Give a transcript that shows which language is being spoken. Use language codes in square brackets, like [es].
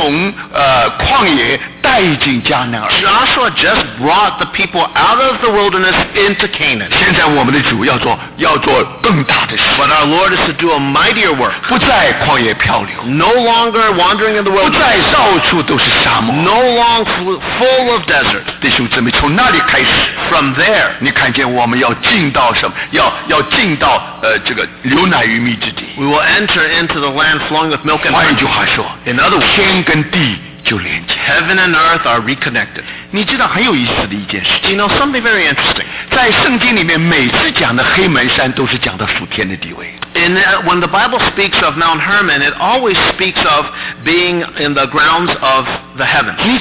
[zh] 约书亚不过是把以色列人从旷野 [en] Joshua just brought the people out of the wilderness into Canaan. [zh] 现在我们的主要做更大的事。 [en] But our Lord is to do a mightier work. [zh] 不再旷野漂流。 [en] No longer wandering in the wilderness. [zh] 不再到处都是沙漠。 [en] No longer full of desert. [zh] 弟兄姊妹，从那里开始。 [en] From there. [zh] 你看见我们要进到什么？要进到这个牛奶与蜜之地。 [en] We will enter into the land flowing with milk and honey. [zh] 换一句话说， [en] In other words, [zh] 天跟地。 [en] Heaven and earth are reconnected. [zh] 你知道很有意思的一件事情。 [en] You know something very interesting. [zh] 在圣经里面，每次讲的黑门山都是讲的属天的地位。 [en] In that, when the Bible speaks of Mount Hermon, it always speaks of being in the grounds of the heavens.